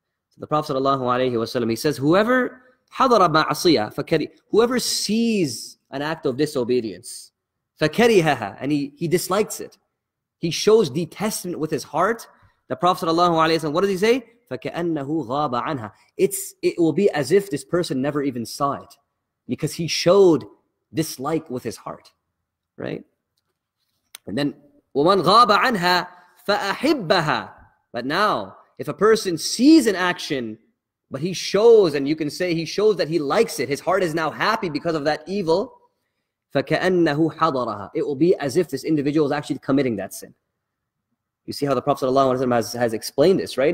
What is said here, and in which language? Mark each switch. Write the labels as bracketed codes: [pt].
[en] So the Prophet sallallahu alaihi wasallam, he says, whoever حَضَرَ مَعْصِيَةً فَكَرِي, whoever sees an act of disobedience, فَكَرِهَهَا, and he dislikes it, he shows detestment with his heart, the Prophet sallallahu alayhi wa sallam, what does he say? [ar] فَكَأَنَّهُ غَابَ عَنْهَا. [en] It will be as if this person never even saw it, because he showed dislike with his heart, right? [ar] And then, وَمَنْ غَابَ عَنْهَا فَأَحِبَّهَا. [en] But now, if a person sees an action, but he shows, and you can say he shows that he likes it, his heart is now happy because of that evil, فَكَأَنَّهُ حَضَرَهَا. It will be as if this individual is actually committing that sin. You see how the Prophet ﷺ has explained this, right?